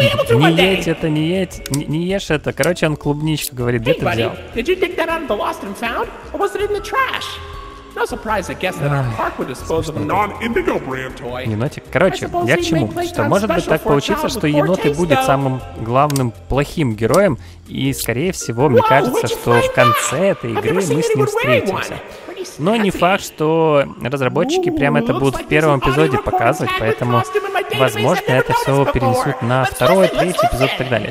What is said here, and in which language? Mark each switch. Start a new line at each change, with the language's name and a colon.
Russian: Не едь это, не едь, не ешь это. Короче, он клубничку говорит, где ты взял?
English: Did you dig that out of the lost and found, or was it in the trash? No surprise, I guess that our park would dispose of a non-Indigo brand toy.
Russian: Енотик. Короче, я к чему? Что может быть так получиться, что енот и будет самым главным плохим героем, и скорее всего, мне кажется, что в конце этой игры мы с ним встретимся. Но не факт, что разработчики прямо это будут в первом эпизоде показывать, поэтому, возможно, это все перенесут на второй, третий эпизод и так далее.